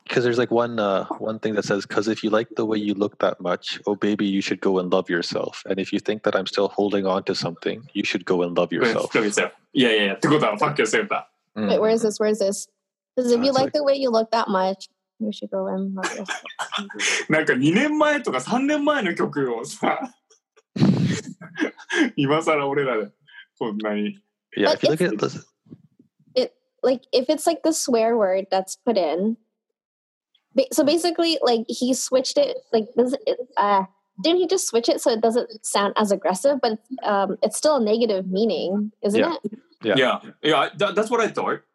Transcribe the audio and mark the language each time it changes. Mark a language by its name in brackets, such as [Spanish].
[English] Because there's like one thing that says, because if you like the way you look that much, oh baby, you should go and love yourself. And if you think that I'm still holding on to something, you should go and love yourself. Love yourself. Yeah. To go down, fuck yourself. Wait, where is this? Because if you like the way you look that much, you should go and love yourself. [Japanese] なんか2年前とか3年前の曲をさ、今更俺らでこんなに。 [English] Yeah, if you look at this. Like, if it's like the swear word that's put in. So basically, like, he switched it. Like, didn't he just switch it so it doesn't sound as aggressive? But it's still a negative meaning, isn't it? Yeah. That's what I thought.